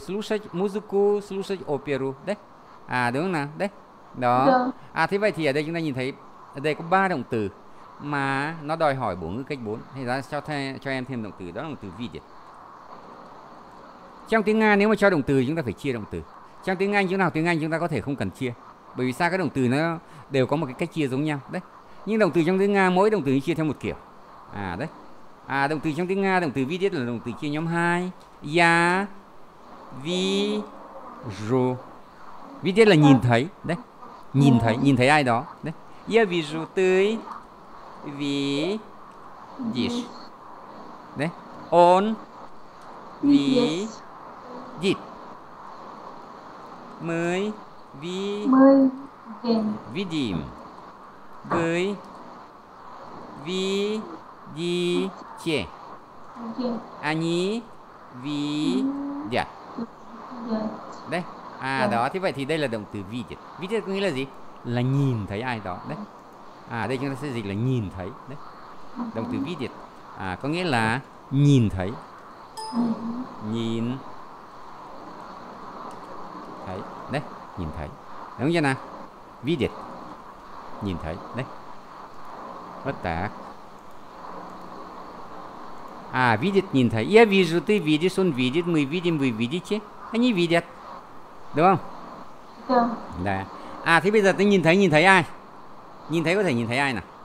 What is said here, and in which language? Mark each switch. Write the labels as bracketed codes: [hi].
[ru] Слушать музыку, слушать оперу. [vi] Đấy. À đúng không nào? Đấy. Đó. Được. À thế vậy thì ở đây chúng ta nhìn thấy ở đây có 3 động từ mà nó đòi hỏi bổ ngữ cách 4. Thì ra cho em thêm động từ, đó là động từ видеть. Trong tiếng Nga nếu mà cho động từ chúng ta phải chia động từ. Trong tiếng Anh, chúng nào tiếng Anh chúng ta có thể không cần chia. Bởi vì sao? Các động từ nó đều có một cái cách chia giống nhau. Đấy. Nhưng động từ trong tiếng Nga mỗi động từ chia theo một kiểu. À đấy. À, động từ trong tiếng Nga, động từ видеть là động từ chia nhóm 2. [ru] Я вижу. [vi] Видеть là nhìn thấy, đấy. Nhìn thấy ai đó, đấy. [ru] Я вижу ты видишь. [vi] Đấy. [ru] Он видит. Мы видим. Вы видите. Они видят. Đấy. [vi] À đó, thế vậy thì đây là động từ vidět. Vidět có nghĩa là gì? Là nhìn thấy ai đó đấy. À đây chúng ta sẽ dịch là nhìn thấy đấy. Động từ vidět à có nghĩa là nhìn thấy. Nhìn thấy đấy, nhìn thấy. Đúng chưa nào? Vidět. Nhìn thấy đấy. Bất tạc. À vidět nhìn thấy. [ru] Я вижу, ты видишь, он видит, мы видим, вы видите. Они видят. Đúng không? [vi] Được. Đấy. À thế bây giờ tôi nhìn thấy, nhìn thấy ai? Nhìn thấy có thể nhìn thấy ai nào?